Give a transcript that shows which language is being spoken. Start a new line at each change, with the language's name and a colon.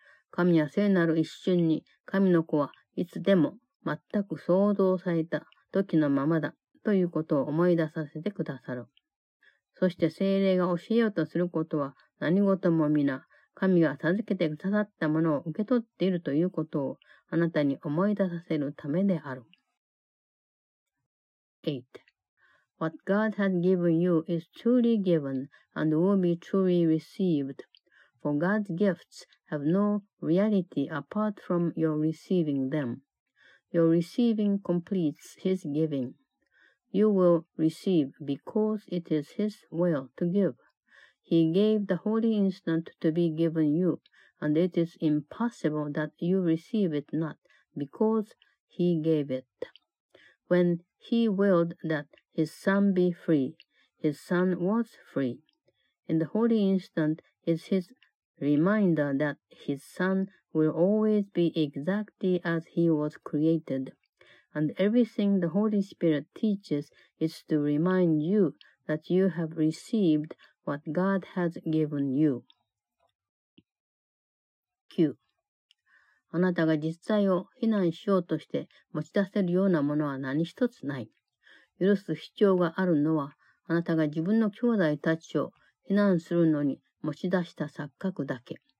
Japanese: 神は聖なる一瞬に神の子はいつでも全く創造された時のままだということを思い出させてくださる。そして聖霊が教えようとすることは何事も皆、神が授けてくださったものを受け取っているということをあなたに思い出させるためである。 8.
English: What God has given you is truly given and will be truly received, for God's gifts have no reality apart from your receiving them. Your receiving completes His giving. You will receive because it is His will to give. He gave the holy instant to be given you, and it is impossible that you receive it not because He gave it. When He willed that His Son be free, His Son was free. In the holy instant is His reminder that His Son will always be exactly as He was created. And everything the Holy Spirit teaches is to remind you that you have received what God has given you.
Japanese: 9. あなたが実在を非難しようとして持ち出せるようなものは何一つない。許す必要があるのは、あなたが自分の兄弟たちを非難するのに持ち出した錯覚だけ。